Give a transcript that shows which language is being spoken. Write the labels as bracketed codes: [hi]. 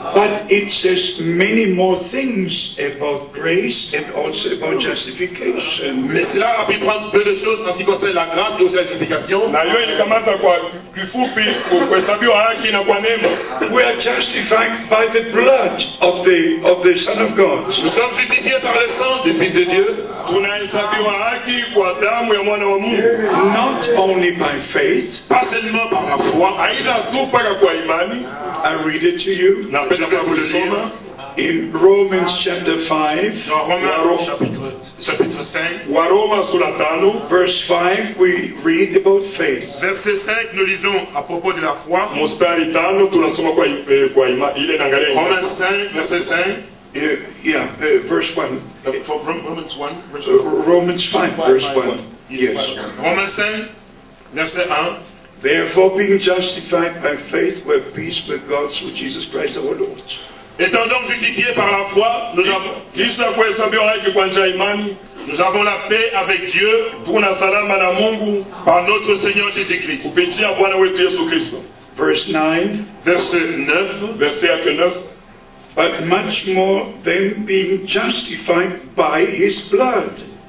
[en] But it says many more things about grace and also about justification. [fr] Mais cela a pu prendre peu de choses en ce qui concerne la grâce et aussi la justification. [sw] Na yo ilikamata kwa kifupi kuhesabiwa haki na kwa neema. [en] We are justified by the blood of the Son of God. [fr] Nous sommes justifiés par le sang du Fils de Dieu. [sw] Tunahesabiwa haki kwa damu ya mwana wa Mungu. [en] Not only by faith, [fr] pas seulement par la foi, [sw] aina tu paka kwa imani. [en] I read it to you. [fr] Na je vais vous le lire. [en] In Romans chapter 5, [fr] Romains chapitre 5, [en] verse 5, we read about faith. [fr] Verset 5, nous lisons à propos de la foi. [sw] Mustari tano, tunasoma kwa ile nangalia. [fr] Romans 5, verset 5. [en] Romans 5, verse 1. [fr] Romans 5, verset 1. [en] Therefore, being justified by faith, we have peace with God through Jesus Christ our Lord. [fr] Étant donc justifié par la foi, nous avons la paix avec Dieu par notre Seigneur Jésus-Christ. [en] Verse 9. But much more than being justified by his blood.